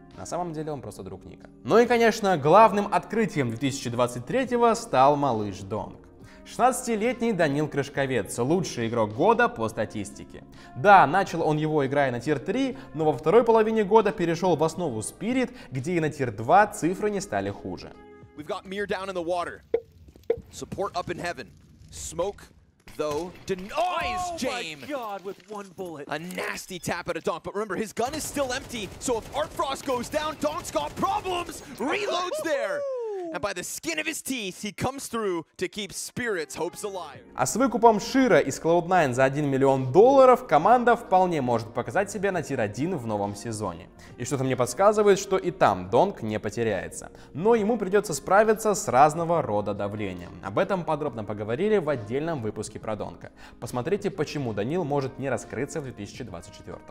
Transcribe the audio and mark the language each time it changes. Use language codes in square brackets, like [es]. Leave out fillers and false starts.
[ru] На самом деле он просто друг Ника. Ну и, конечно, главным открытием 2023-го стал малыш Донг. 16-летний Данил Крышковец, лучший игрок года по статистике. Да, начал он его, играя на тир-3, но во второй половине года перешел в основу Спирит, где и на тир-2 цифры не стали хуже. [en] We've got Mir down in the water. Support up in heaven. Smoke, though, denies Jame. Oh my god, with one bullet. A nasty tap at a Donk. But remember, his gun is still empty, so if Art Frost goes down, Donk's got problems. Reloads there. And by the skin of his teeth, he comes through to keep Spirit's hopes alive. [ru] А с выкупом Шира из Cloud9 за 1 миллион долларов команда вполне может показать себя на тир-1 в новом сезоне. И что-то мне подсказывает, что и там Донг не потеряется. Но ему придется справиться с разного рода давлением. Об этом подробно поговорили в отдельном выпуске про Донга. Посмотрите, почему Данил может не раскрыться в 2024.